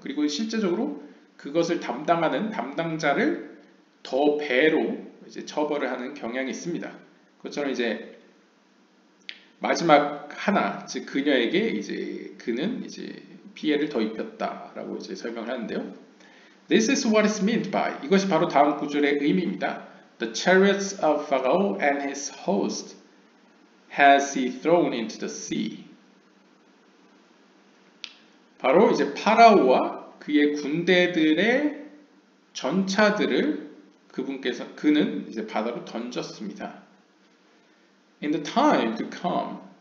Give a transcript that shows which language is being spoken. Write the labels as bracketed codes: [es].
[ko] 그리고 실제적으로 그것을 담당하는 담당자를 더 배로 이제 처벌을 하는 경향이 있습니다. 그것처럼 이제 마지막 하나, 즉 그녀에게 이제 그는 이제 피해를 더 입혔다라고 이제 설명을 하는데요. [en] This is what is meant by [ko] 이것이 바로 다음 구절의 의미입니다. [en] The chariots of Pharaoh and his host has he thrown into the sea. [ko] 바로 이제 파라오와 그의 군대들의 전차들을 그분께서 그는 이제 바다로 던졌습니다. [en] In the time to come.